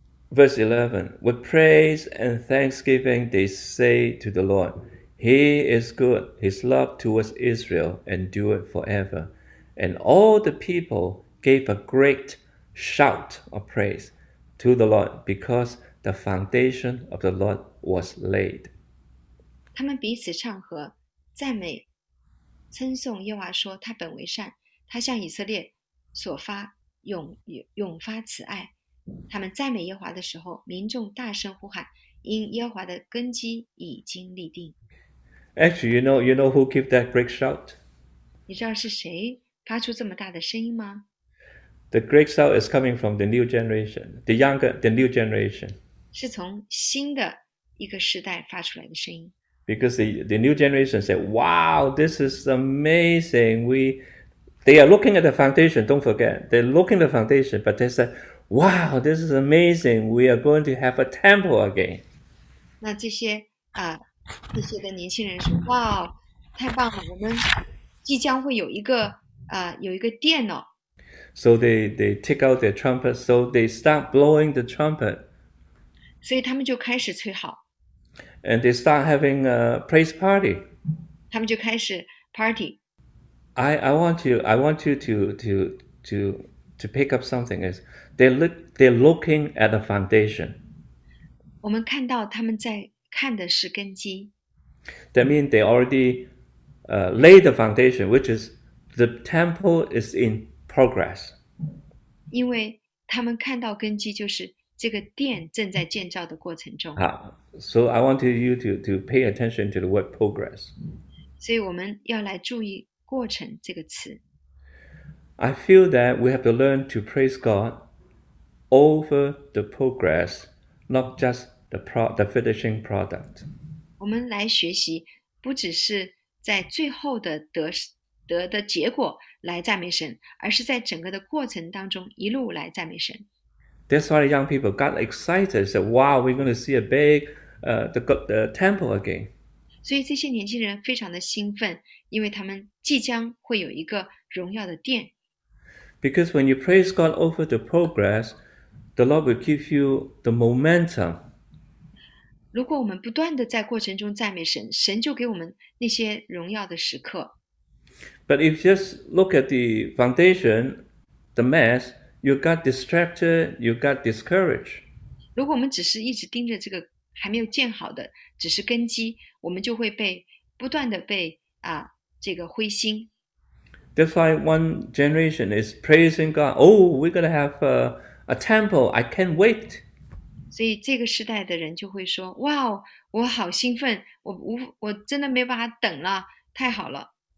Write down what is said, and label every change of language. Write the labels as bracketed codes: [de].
[en] Verse 11, with praise and thanksgiving they say to the Lord, He is good, His love towards Israel endureth forever. And all the people gave a great shout of praise to the Lord because the foundation of the Lord was laid. [zh] 他们彼此唱和、赞美、称颂耶和华，说他本为善，他向以色列所发永发慈爱。他们赞美耶和华的时候，民众大声呼喊，因耶和华的根基已经立定。 [en] Actually, you know who gave that great shout? [zh] 你知道是谁发出这么大的声音吗？ [en] The great shout is coming from the new generation, the younger, the new generation. [zh] 是从新的一个时代发出来的声音。 [en] Because the new generation said, "Wow, this is amazing." They are looking at the foundation. Don't forget, they're looking at the foundation, but they said, "Wow, this is amazing. We are going to have a temple again." [zh] 那这些的年轻人说：“哇，太棒了！我们即将会有一个电脑。” [en] So they take out their trumpet, so they start blowing the trumpet. [zh] 所以他们就开始吹号， [en] And they start having a praise party. [zh] 他们就开始 party。 [en] I want you to pick up something is they're looking at the foundation. [zh] 我们看到他们在看的是根基。 [en] That means they already laid the foundation, which is the temple is in progress. [zh] 因为他们看到根基，就是这个殿正在建造的过程中。 [en] So I want you to pay attention to the word progress. [zh] 所以我们要来注意“过程”这个词。 [en] I feel that we have to learn to praise God over the progress, not just the finishing product. [zh] 我们来学习，不只是在最后的得的结果来赞美神，而是在整个的过程当中一路来赞美神。 [en] That's why the young people got excited, said, "Wow, we're going to see a big, the temple again." [zh] 所以这些年轻人非常的兴奋，因为他们即将会有一个荣耀的殿。 [en] Because when you praise God over the progress, the Lord will give you the momentum. [zh] 如果我们不断的在过程中赞美神，神就给我们那些荣耀的时刻。 [en] But if you just look at the foundation, the mess, you got distracted, you got discouraged. [zh] 如果我们只是一直盯着这个还没有建好的，只是根基，我们就会不断的被这个灰心。 [en] That's why one generation is praising God. Oh, we're gonna have a temple. I can't wait. [zh] 所以这个时代的人就会说：“哇，我好兴奋，我真的没办法等了，太好了。